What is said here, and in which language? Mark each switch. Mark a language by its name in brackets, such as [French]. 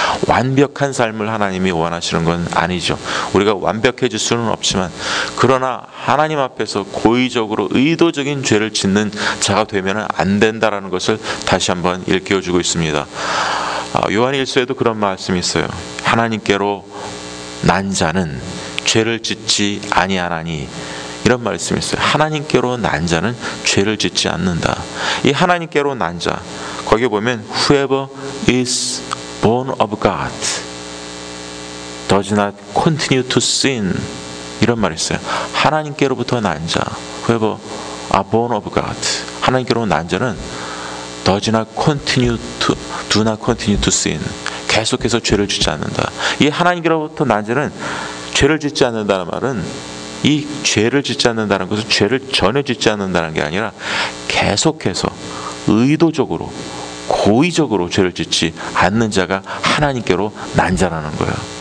[Korean] 완벽한 삶을 하나님이 원하시는 건 아니죠. 우리가 완벽해질 수는 없지만, 그러나 하나님 앞에서 고의적으로 의도적인 죄를 짓는 자가 되면 안 된다라는 것을 다시 한번 일깨워주고 있습니다. 요한일서에도 그런 말씀이 있어요. 하나님께로 난 자는 죄를 짓지 아니하나니, 이런 말씀이 있어요. 하나님께로 난 자는 죄를 짓지 않는다. 이 하나님께로 난 자, 거기 보면 [English] whoever is born of God does not continue to sin, [Korean] 이런 말이 있어요. 하나님께로부터 난 자, [English] whoever are born of God, [Korean] 하나님께로 난 자는 [English] do not continue to sin, [Korean] 계속해서 죄를 짓지 않는다. 이 하나님께로부터 난 자는 죄를 짓지 않는다는 말은 이 죄를 짓지 않는다는 것은 죄를 전혀 짓지 않는다는 게 아니라 계속해서 의도적으로 고의적으로 죄를 짓지 않는 자가 하나님께로 난 자라는 거예요.